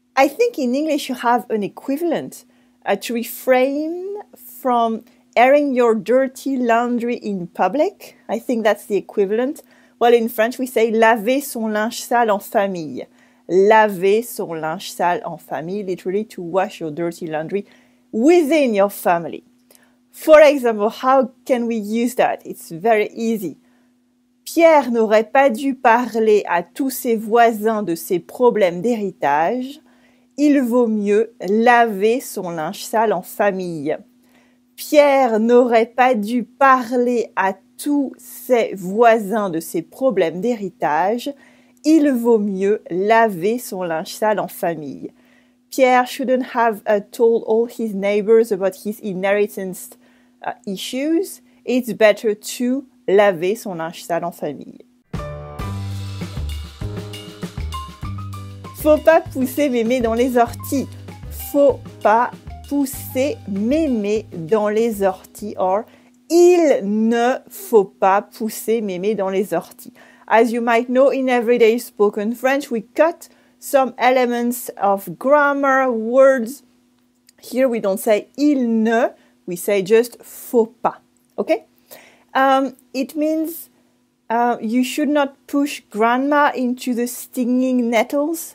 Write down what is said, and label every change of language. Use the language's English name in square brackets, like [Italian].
[English] I think in English you have an equivalent, to refrain from airing your dirty laundry in public. I think that's the equivalent. Well, in French we say [French] laver son linge sale en famille. Laver son linge sale en famille, [English] literally to wash your dirty laundry within your family. For example, how can we use that? It's very easy. [French] Pierre n'aurait pas dû parler à tous ses voisins de ses problèmes d'héritage. Il vaut mieux laver son linge sale en famille. Pierre n'aurait pas dû parler à tous ses voisins de ses problèmes d'héritage. Il vaut mieux laver son linge sale en famille. [English] Pierre shouldn't have told all his neighbors about his inheritance issues. It's better to [French] laver son linge sale en famille. Faut pas pousser mémé dans les orties. Faut pas pousser mémé dans les orties. Or, il ne faut pas pousser mémé dans les orties. [English] As you might know, in everyday spoken French, we cut some elements of grammar, words. Here we don't say il ne, we say just faut pas, okay? It means you should not push grandma into the stinging nettles.